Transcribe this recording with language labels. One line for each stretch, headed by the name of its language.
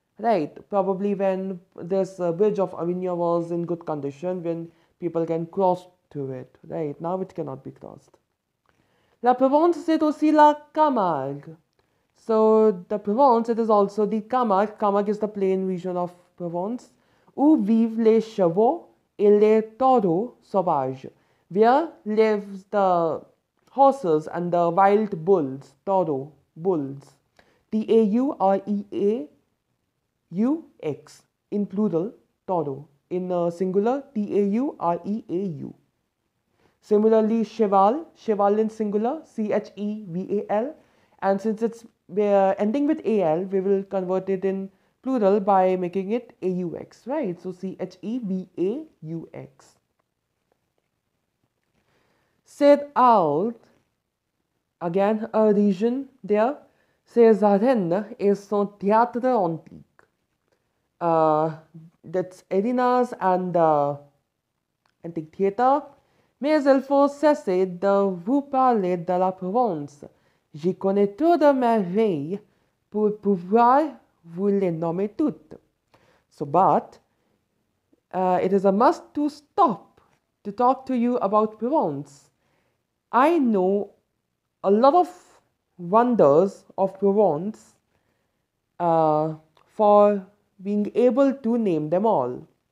English: Right, probably when this bridge of Avignon was in good condition, when people can cross to it, right? Now it cannot be crossed.
French: La Provence, c'est aussi la Camargue.
English: So, the Provence, it is also the Camargue. Camargue is the plain region of Provence.
French: Où vivent les chevaux et les taureaux sauvages.
English: Where lives the horses and the wild bulls, taureaux, bulls. T-A-U-R-E-A. U-X, in plural, taureau, in singular, T-A-U-R-E-A-U. Similarly, cheval, cheval in singular, C-H-E-V-A-L. And since it's ending with A-L, we will convert it in plural by making it A-U-X, right? So, C-H-E-V-A-U-X.
French: Cet Alt,
English: again, a region there,
French: ses arènes et son théâtre antique.
English: That's arenas and antique theater.
French: Mais il faut cesser de vous parler de la Provence. J'y connais trop de merveilles pour pouvoir vous les nommer toutes.
English: So, but it is a must to stop to talk to you about Provence. I know a lot of wonders of Provence for being able to name them all.